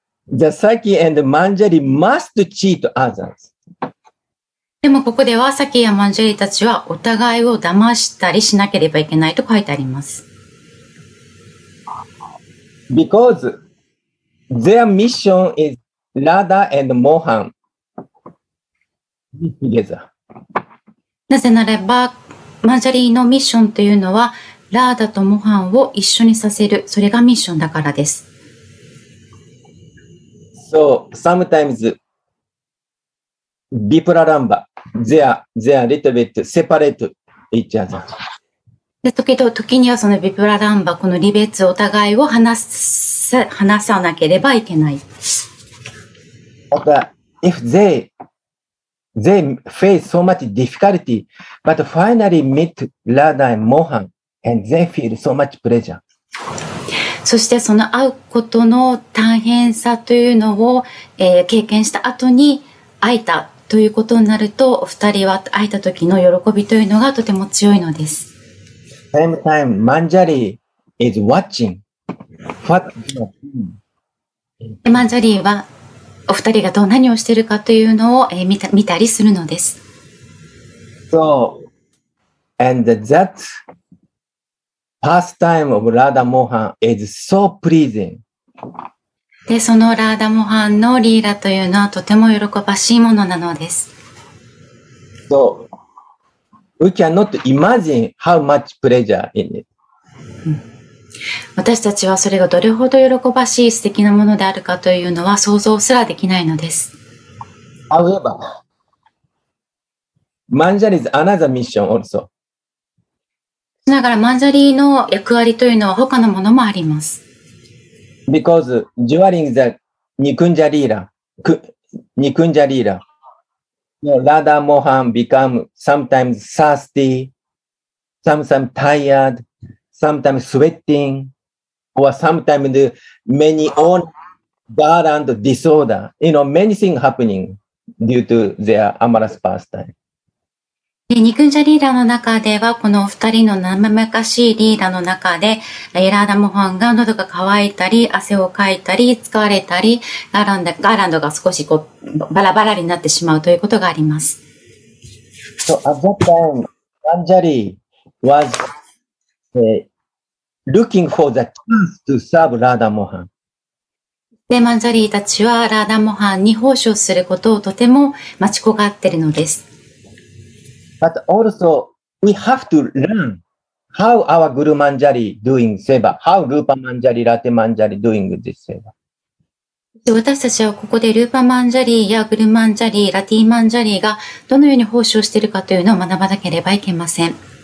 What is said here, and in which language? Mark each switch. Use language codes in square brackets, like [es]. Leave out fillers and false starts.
[en] The Saki and the Manjari must cheat others. [ja] でもここでは、サキやマンジャリたちはお互いを騙したりしなければいけないと書いてあります。 [en] Because their mission is Radha and Mohan together. [ja] なぜならば、マンジャリのミッションというのは、ラーダとモハンを一緒にさせる、それがミッションだからです。 [en] So, sometimes, Vipralamba, they are little bit separate each other. [ja] で、時々にはそのVipralamba、この離別、お互いを話さなければいけない。 [en] But if they face so much difficulty, but finally meet Radha and Mohan, and they feel so much pleasure. [ja] そしてその会うことの大変さというのを、経験した後に会えたということになると、お二人は会えた時の喜びというのがとても強いのです。 [en] Same time, Manjari is watching what you are doing. [ja] Manjari はお二人がどう何をしているかというのを、見たりするのです。 [en] So, and thatPastime of Radha Mohan is so pleasing. [ja] で、そのラーダモハンのリーラというのはとても喜ばしいものなのです。 [en] So, we cannot imagine how much pleasure in it. [ja] 私たちはそれがどれほど喜ばしい素敵なものであるかというのは想像すらできないのです。 [en] However, Manjari is another mission also. [ja] しながらマンジャリーの役割というのは他のものもあります。 [en] Because during the Nikunjalila Radha Mohan become sometimes thirsty, sometimes tired, sometimes sweating, or sometimes many own garland disorder, you know, many things happening due to their amorous pastime [ja] で、ニクンジャリーラの中では、このお二人の生めかしいリーラの中で、ラーダモハンが喉が渇いたり、汗をかいたり、疲れたり、ガーランドが少しこうバラバラになってしまうということがあります。 [en] So, at that time, Manjari was, looking for the chance to serve Radha Mohan. [ja] で、マンジャリーたちはラーダモハンに奉仕することをとても待ち焦がっているのです。 [en] But also, we have to learn how our Guru Manjari doing seva, how Rupa Manjari, Rate Manjari doing this seva. [ja] 私たちはここで Rupa Manjari や Guru Manjari, Rate Manjari がどのように奉仕をしているかというのを学ばなければいけません。